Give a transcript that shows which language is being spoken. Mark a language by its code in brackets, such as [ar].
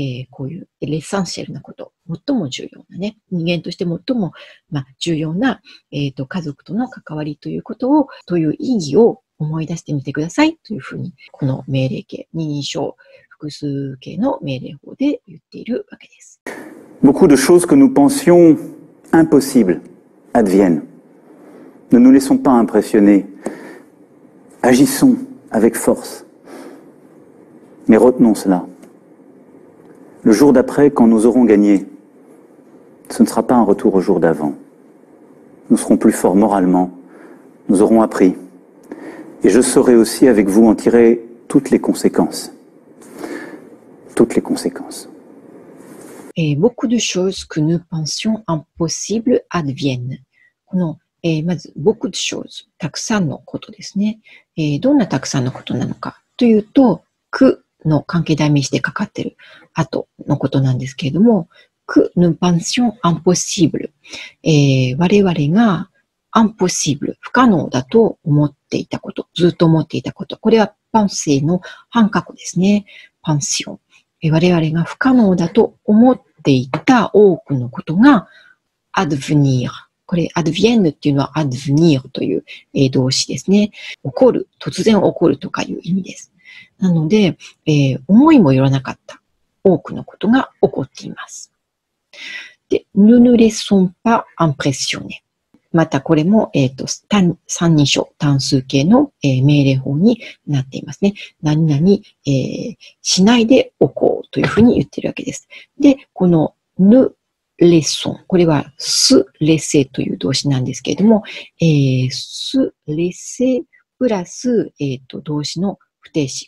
[ja] こういうエッセンシャルなこと、最も重要なね、人間として最も、まあ、重要な、家族との関わりということを、という意義を思い出してみてくださいというふうに、この命令形、二人称複数形の命令法で言っているわけです。 [fr] Beaucoup de choses que nous pensions impossibles adviennent. Ne nous laissons pas impressionner. Agissons avec force. Mais retenons cela. Le jour d'après, quand nous aurons gagné, ce ne sera pas un retour au jour d'avant. Nous serons plus forts moralement. Nous aurons appris. Et je saurai aussi avec vous en tirer toutes les conséquences. Toutes les conséquences. Et beaucoup de choses que nous pensions impossibles adviennent. [ja] この、まず、 [fr] beaucoup de choses、 [ja] たくさんのことですね。どんなたくさんのことなのかというと、que の関係代名詞でかかっている後のことなんですけれども、 [fr] que nous pensions impossibles、 [ja] 我々が impossible、不可能だと思っていたこと、ずっと思っていたこと。これは penser の半過去ですね。 [fr] pension。 [ja] 我々が不可能だと思っていた多くのことが advenir。これ advienne っていうのは advenir という動詞ですね。起こる、突然起こるとかいう意味です。なので、思いもよらなかった多くのことが起こっています。 [fr] で、nous ne laissons pas impressionner。 [ja] またこれも、三人称、単数形の、命令法になっていますね。何々、しないでおこうというふうに言ってるわけです。で、この、ぬ、レッソン。これは、す、レッセという動詞なんですけれども、す、レッセプラス、動詞の不定詞。